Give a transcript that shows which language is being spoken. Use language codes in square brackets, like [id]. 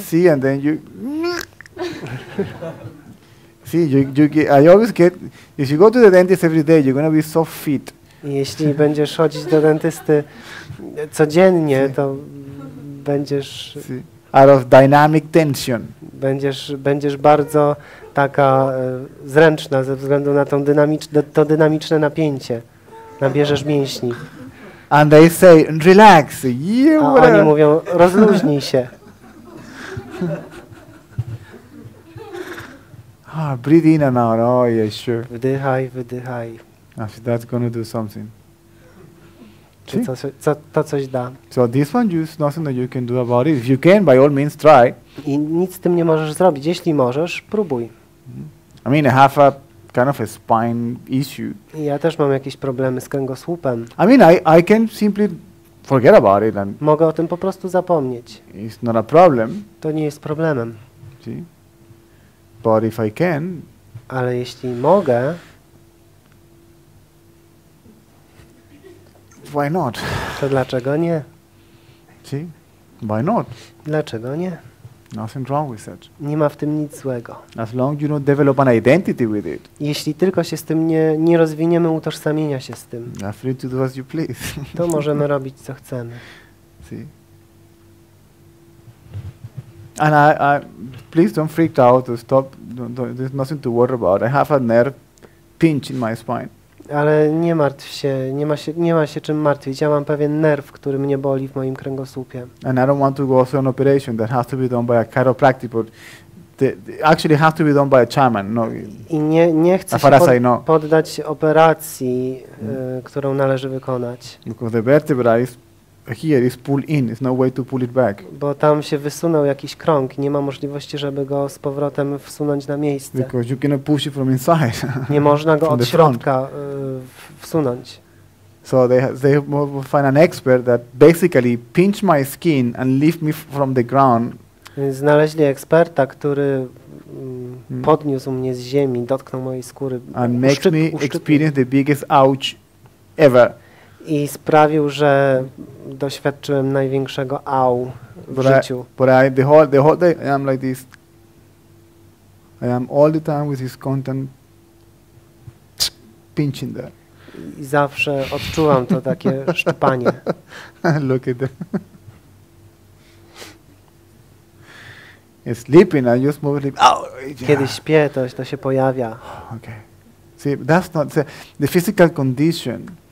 [en] See and then you see, I always get. If you go to the dentist every day, you're gonna be so fit. [pl] Jeśli będziesz chodzić do dentysty codziennie, to będziesz. [en] Out of dynamic tension. [pl] Będziesz bardzo taka zręczna ze względu na to dynamiczne napięcie. Nabierzesz mięśni. [en] And they say, relax. [pl] A oni mówią, rozluźnij się. [en] Ah, breathe in and out. Oh, yeah, sure. [pl] Wdychaj, wdychaj. [en] After that's gonna do something. [pl] Czy to coś da? [en] So this one, there's nothing that you can do about it. If you can, by all means, try. [pl] I nic z tym nie możesz zrobić. Jeśli możesz, próbuj. [en] I mean, I have a kind of a spine issue. [pl] Ja też mam jakieś problemy z kręgosłupem. [en] I mean, I can simply forget about it. And [pl] mogę o tym po prostu zapomnieć. [en] It's not a problem. [pl] To nie jest problemem. [en] See? But if I can, [pl] ale jeśli mogę, [en] why not? [pl] To dlaczego nie? [en] See? Why not? [pl] Dlaczego nie? [en] Nothing wrong with that. [pl] Nie ma w tym nic złego. [en] As long you don't develop an identity with it. [pl] Jeśli tylko się z tym nie rozwiniemy utożsamienia się z tym, [en] you're free to do as you please. [pl] To możemy robić co chcemy. [en] See? And I, please don't freak out. Stop. There's nothing to worry about. I have a nerve pinch in my spine. [pl] Ale nie martw się. Nie ma się czym martwić. Ja mam pewien nerw, który mnie boli w moim kręgosłupie. [en] And I don't want to go through an operation that has to be done by a chiropractic, but actually has to be done by a shaman. No. [pl] I nie chcę poddać operacji, którą należy wykonać. [en] Because the vertebra is. Here is pull in, there's no way to pull it back. [pl] Bo tam się wysunął jakiś krąg, nie ma możliwości, żeby go z powrotem wsunąć na miejsce. [en] Because you cannot push it from inside. [pl] Nie można go od środka wsunąć. [en] So they will find an expert that basically pinch my skin and lift me from the ground. [pl] Znaleźli eksperta, który podniósł mnie z ziemi, dotknął mojej skóry. [en] And makes me experience the biggest ouch ever. [pl] I sprawił, że doświadczyłem największego au w życiu. [en] But I the whole day I am like this. I am all the time with this content pinching there. [pl] I zawsze odczuwam to takie szczypanie. [en] Look at that. It's sleeping, I just move it. [pl] Kiedy śpię, to się pojawia. [en] Okay. See, that's not the physical condition.